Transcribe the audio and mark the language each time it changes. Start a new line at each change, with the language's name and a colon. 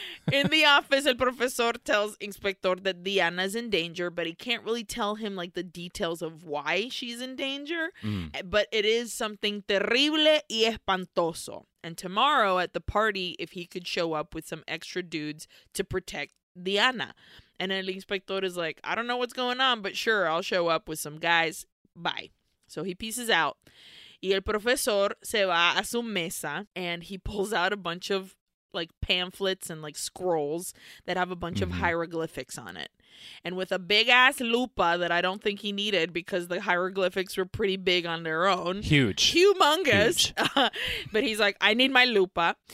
English: In the office, el profesor tells inspector that Diana's in danger, but he can't really tell him like the details of why she's in danger. Mm. But it is something terrible
Spanish: y espantoso.
English: And tomorrow at the party, if he could show up with some extra dudes to protect Diana. And El Inspector is like, I don't know what's going on, but sure, I'll show up with some guys. Bye. So he pieces out.
Spanish: Y el profesor se va a su mesa.
English: And he pulls out a bunch of like pamphlets and like scrolls that have a bunch of hieroglyphics on it. And with a big ass lupa that I don't think he needed because the hieroglyphics were pretty big on their own. Huge. Humongous. Huge. But he's like, I need my lupa.